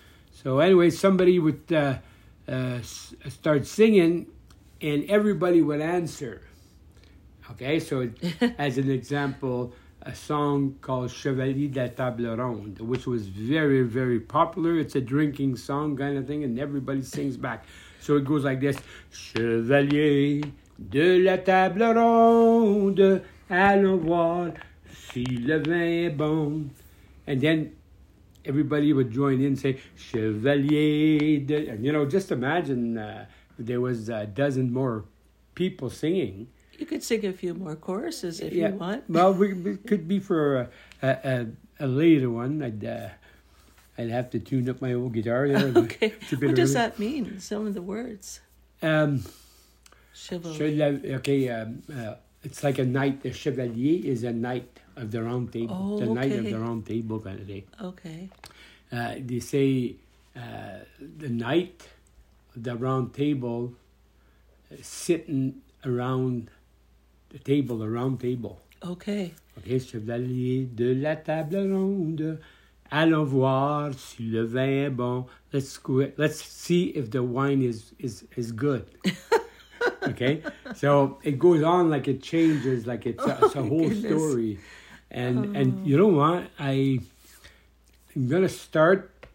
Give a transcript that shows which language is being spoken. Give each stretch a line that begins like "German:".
English: So anyway, somebody would start singing and everybody would answer. Okay, so as an example, a song called Chevalier de la Table Ronde, which was very, very popular. It's a drinking song kind of thing, and everybody sings back. So it goes like this.
French: Chevalier de la Table Ronde, allons voir si le vin est bon.
English: And then everybody would join in and say, Chevalier de... And, you know, just imagine there was a dozen more people singing. You could sing a few more choruses if you want. Well, we could be for a later one. I'd have to tune up my old guitar. Okay. What does that mean? Some of the words. Chevalier. It's like a knight. The chevalier is a knight of the round table. the knight of the round table kind of thing. Okay. They say the knight of the round table sitting around... The table, the round table. Okay. Okay, Chevalier de la Table Ronde.
French: Allons voir si le vin est bon.
English: Let's see if the wine is good. Okay? So it goes on like it changes, like it's a whole story. And you know what? I'm going to start